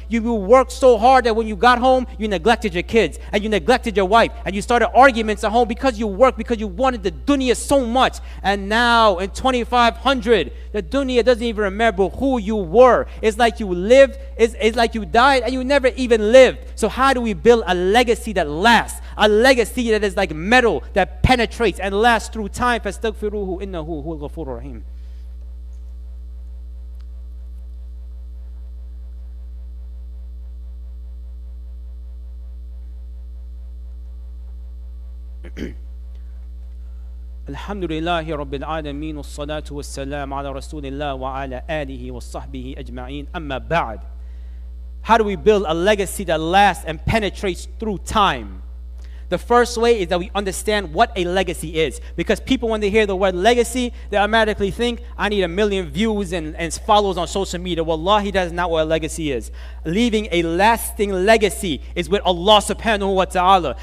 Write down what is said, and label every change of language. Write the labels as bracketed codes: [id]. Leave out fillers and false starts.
[en] You worked so hard that when you got home, you neglected your kids and you neglected your wife and you started arguments at home because you worked, because you wanted the dunya so much. And now in 2500, the dunya doesn't even remember who you were. It's like you lived, it's like you died and you never even lived. So how do we build a legacy that lasts? A legacy that is like metal that penetrates and lasts through time. [ar] فَاسْتَغْفِرُوهُ إِنَّهُ هُوَ الْغَفُورُ الرَّحِيمُ الحمد لله رب العالمين والصلاة والسلام على رسول الله وعلى آله وصحبه أجمعين أما بعد. [en] How do we build a legacy that lasts and penetrates through time? The first way is that we understand what a legacy is. Because people, when they hear the word legacy, they automatically think, I need a million views and follows on social media. Wallahi, that is not what a legacy is. Leaving a lasting legacy is with Allah subhanahu wa ta'ala.